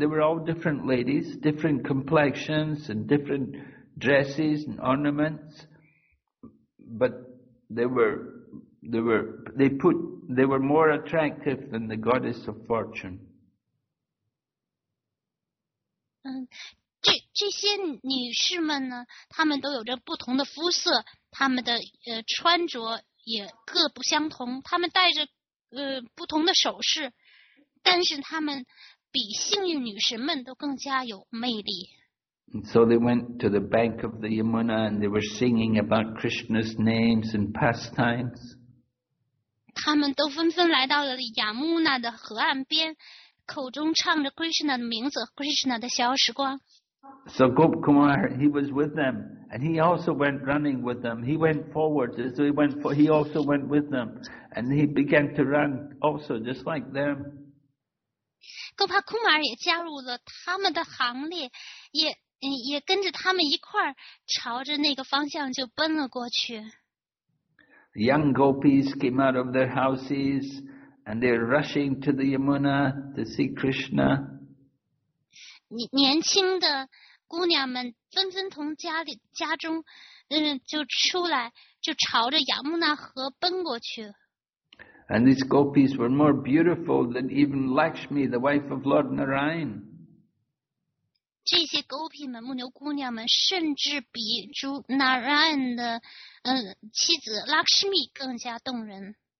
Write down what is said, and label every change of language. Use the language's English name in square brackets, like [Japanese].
[English] They were all different ladies, different complexions and different. Dresses and ornaments, but they were more attractive than the goddess of fortune. [Chinese] 这些女士们呢，她们都有着不同的肤色，她们的穿着也各不相同，她们戴着不同的首饰，但是她们比幸运女神们都更加有魅力。 [English] And so they went to the bank of the Yamuna and they were singing about Krishna's names and pastimes. [Chinese] 他们都纷纷来到了亚穆纳的河岸边，口中唱着 Krishna 的名字， Krishna 的逍遥时光。 [English] So Gop Kumar, he was with them and he also went running with them. He went forward, so he also went with them and he began to run also just like them. [Chinese] 戈帕库马尔也加入了他们的行列，也跟着他们一块儿朝着那个方向就奔了过去。 [English] Young gopis came out of their houses and they're rushing to the Yamuna to see Krishna. [Chinese] 年轻的姑娘们纷纷从家中，就出来，就朝着亚穆纳河奔过去。 [English] And these gopis were more beautiful than even Lakshmi, the wife of Lord Narayan. [Chinese] 这些 gopi 们，牧牛姑娘们，甚至比主 Narayan 的妻子 Lakshmi 更加动人。